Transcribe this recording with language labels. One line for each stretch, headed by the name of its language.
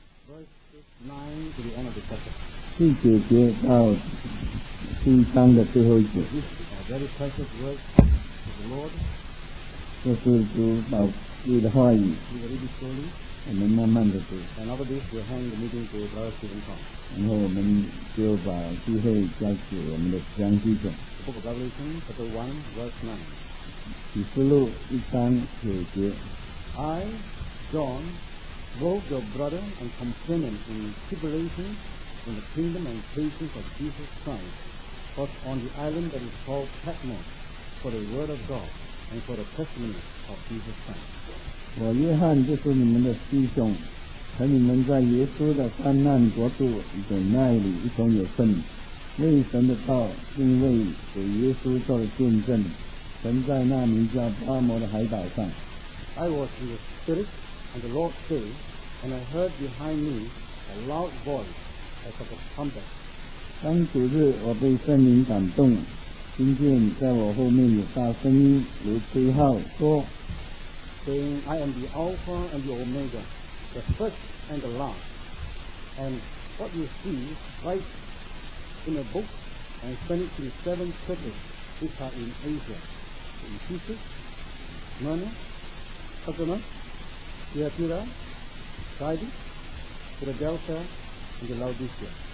English: Verse 9 to the end of the chapter.
Chinese: 四节节到七章的最后一节.
English: A very precious word of the Lord.
Chinese: 这是主宝贵的话语.
English: We will read it slowly.
Chinese: 我们慢慢的读.
English: And after this, we'll hand the meeting to Brother Stephen Tong.
Chinese: 然后我们就把机会交给我们的张弟兄.
English: Book of Revelation, chapter 1, verse 9.
Chinese: 启示录一章九节.
English: I, John, wrote your brother and companion in tribulation in the kingdom and patience of Jesus Christ, but on the island that is called Patmos, for the word of God and for the testimony of Jesus Christ.
Chinese: 我约翰就是你们的弟兄, 和你们在耶稣的患难国度忍耐里一同有份, 为神的道并为主耶稣做了见证, 神在那名叫巴摩的海岛上。
English: I was in the Spirit, and the Lord said, and I heard behind me a loud voice as of a trumpet.
Chinese: 当主日我被圣灵感动, 听见在我后面有大声音如吹号说,
English: saying, I am the Alpha and the Omega, the first and the last, and what you see write in a book and send it to the seven churches which are in Asia, in Ephesus, Smyrna, Pergamum, Thyatira, Sardis, Philadelphia, and the Laodicea.